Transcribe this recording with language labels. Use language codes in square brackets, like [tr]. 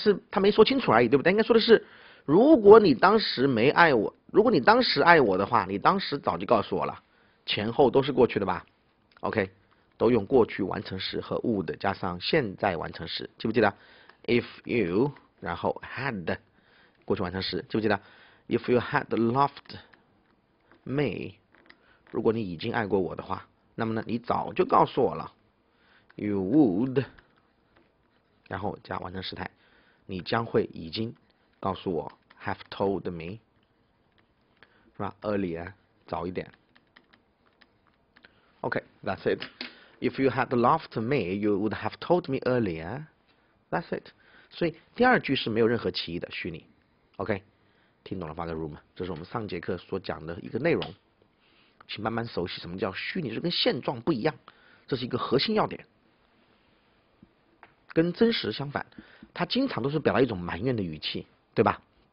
[zh] 他没说清楚而已，对不对？应该说的是，如果你当时没爱我，如果你当时爱我的话，你当时早就告诉我了，前后都是过去的吧？OK，都用过去完成时和 would 加上现在完成时，记不记得？If you，然后 had，过去完成时，记不记得？ [en] If you had loved May， [zh] 如果你已经爱过我的话，那么呢，你早就告诉我了。 You would，然后加完成时态，你将会已经告诉我， [en] have told me， [zh] 是吧？Earlier，早一点。 [en] OK，that's it. If you had loved me, you would have told me earlier. That's it. [zh] 所以第二句是没有任何歧义的虚拟。 OK。听懂了发个 room，这是我们上节课所讲的一个内容，请慢慢熟悉什么叫虚拟，就跟现状不一样，这是一个核心要点，跟真实相反，它经常都是表达一种埋怨的语气，对吧？